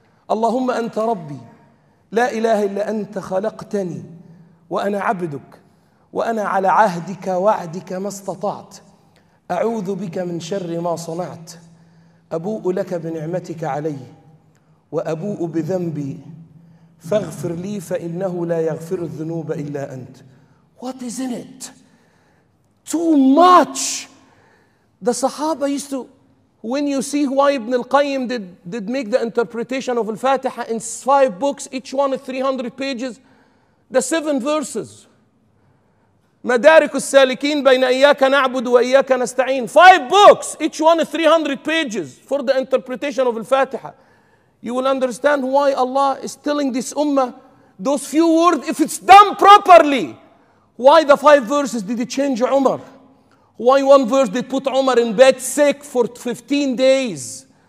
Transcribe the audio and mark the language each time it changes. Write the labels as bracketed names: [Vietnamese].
[Arabic] اللهم أنت ربي لا إله إلا أنت خلقتني وأنا عبدك وأنا على عهدك وعدك ما استطعت أعوذ بك من شر ما صنعت أبوء لك بنعمتك علي وأبوء بذنبي فاغفر لي فإنه لا يغفر الذنوب إلا أنت. [English] What is in it? Too much. The Sahaba used to, when you see why Ibn al-Qayyim did make the interpretation of al-Fatiha in five books, each one is 300 pages, the seven verses. [Arabic] مدارك السالكين بين إياك نعبد وإياك نستعين. [English] Five books, each one is 300 pages for the interpretation of Al-Fatiha. You will understand why Allah is telling this ummah those few words if it's done properly. Why the five verses did it change Umar? Why one verse did put Umar in bed sick for 15 days?